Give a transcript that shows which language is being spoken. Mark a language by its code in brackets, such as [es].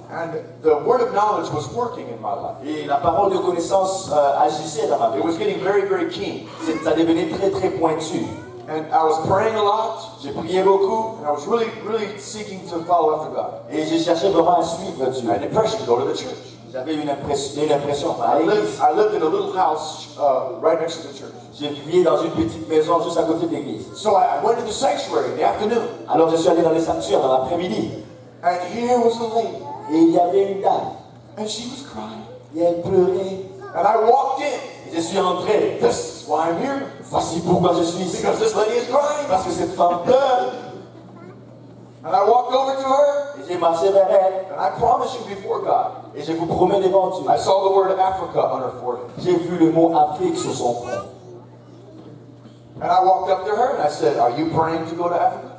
[en] And the word of knowledge was working in my life. [fr] Et la parole de connaissance agissait dans ma vie. [en] It was getting very, very keen. [fr] Ça devenait très, très pointu. [en] And I was praying a lot. [fr] J'ai prié beaucoup. [en] And I was really, really seeking to follow after God. [fr] Et j'ai cherché vraiment à suivre Dieu. [en] I had an impression to go to the church. [fr] J'avais une impression. [en] I lived in a little house right next to the church. [fr] J'ai vécu dans une petite maison juste à côté de l'église. [en] So I went to the sanctuary in the afternoon. [fr] Alors je suis allé dans le sanctuaire dans l'après-midi. [en] And here was a lady. [fr] Et il y avait une dame. [en] And she was crying. [fr] Et elle pleurait. [en] And I walked in. [fr] Je suis entré. [en] This is why I'm here. [fr] Voici pourquoi je suis ici. [en] Because this lady is crying. [fr] Parce que cette femme pleure. [en] And I walked over to her. [fr] Et j'ai marché vers elle. [en] And I promised you before God. [fr] Et je vous promets devant Dieu. [en] I saw the word Africa on her forehead. [fr] J'ai vu le mot Afrique sur son front. [en] And I walked up to her and I said, "Are you praying to go to Africa?"